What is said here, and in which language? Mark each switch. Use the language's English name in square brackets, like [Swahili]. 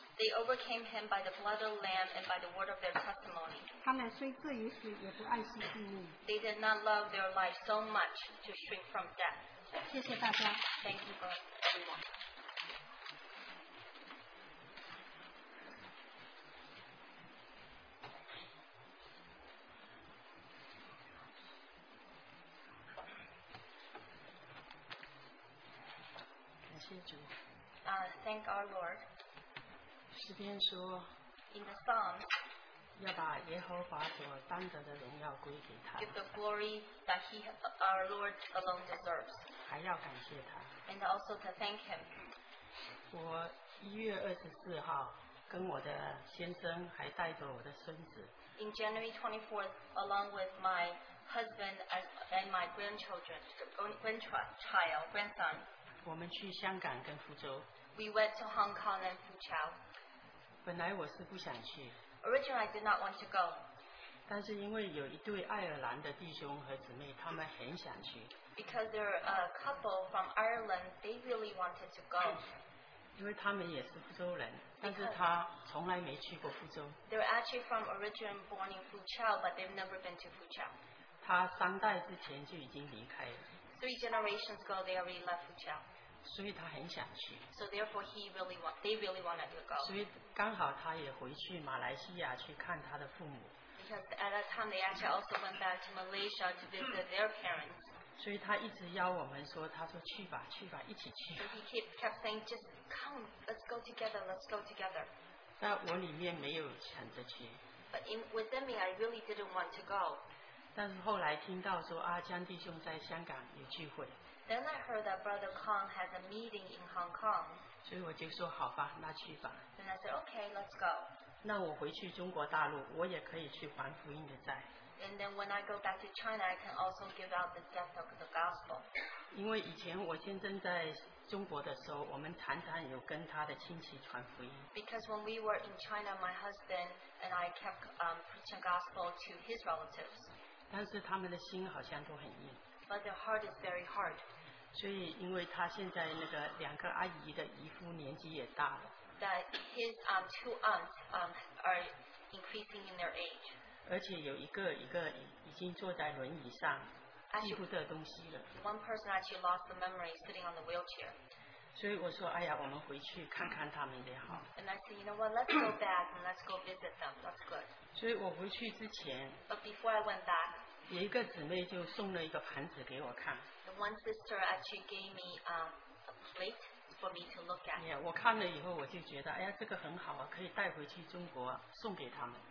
[English] They overcame him by the blood of the Lamb and by the word of their testimony. [Chinese] 他们虽至于死也不爱惜性命。 [English] They did not love their life so much to shrink from death. [Chinese] 谢谢大家。 [English] Thank you for everyone. Thank our Lord. [Chinese] 诗篇说 [English] In the Psalms, [Chinese] 要把耶和华所当得的荣耀归给他 [English] Give the glory that he, our Lord alone deserves. [Chinese] 还要感谢他 [English] And also to thank him. [Chinese] 我1月24号跟我的先生还带着我的孙子 [English] In January 24th, along with my husband and my grandchildren, grandchild, grandson, [Chinese] 我们去香港跟福州 [English] We went to Hong Kong and Fuzhou. [Chinese] 本来我是不想去。 [English] Originally, I did not want to go. [Chinese] 但是因为有一对爱尔兰的弟兄和姊妹，他们很想去。 [English] Because there are a couple from Ireland, they really wanted to go. [Chinese] 因为他们也是福州人，但是他从来没去过福州。 [English] They're actually from originally born in Fuzhou, but they've never been to Fuzhou. [Chinese] 他三代之前就已经离开了。 [English] Three generations ago, they already left Fuzhou. [Chinese] 所以他很想去。 [English] So therefore he really want, they really wanted to go. [Chinese] 所以刚好他也回去马来西亚去看他的父母。 [English] Because at that time they actually also went back to Malaysia to visit their parents. [Chinese] 所以他一直邀我们说，他说去吧，去吧，一起去。 [English] So he kept saying, just come, let's go together, let's go together. [Chinese] 但我里面没有想着去。 [English] But within me, I really didn't want to go. [Chinese] 但是后来听到说阿江弟兄在香港有聚会。 [English] Then I heard that Brother Kong has a meeting in Hong Kong. [Chinese] 所以我就说好吧，那去吧。 [English] Then I said, okay, let's go. [Chinese] 那我回去中国大陆，我也可以去还福音的债。 [English] And then when I go back to China, I can also give out the debt of the gospel. [Chinese] 因为以前我先生在中国的时候，我们常常有跟他的亲戚传福音。 [English] Because when we were in China, my husband and I kept preaching gospel to his relatives. [Chinese] 但是他们的心好像都很硬。 [English] But their heart is very hard. [Chinese] 所以因为他现在那个两个阿姨的姨夫年纪也大了。 [English] That his two aunts are increasing in their age. [Chinese] 而且有一个已经坐在轮椅上记不得东西了。 [English] One person actually lost the memory sitting on the wheelchair. [Chinese] 所以我说哎呀我们回去看看他们也好。 [English] And I said, you know what, let's go back and let's go visit them. That's good. [Chinese] 所以我回去之前。 [English] But before I went back, [Chinese] 有一个姊妹就送了一个盘子给我看。 [English] The one sister actually gave me a plate for me to look at. [Chinese] Yeah, 我看了以后我就觉得，哎呀，这个很好啊，可以带回去中国送给他们。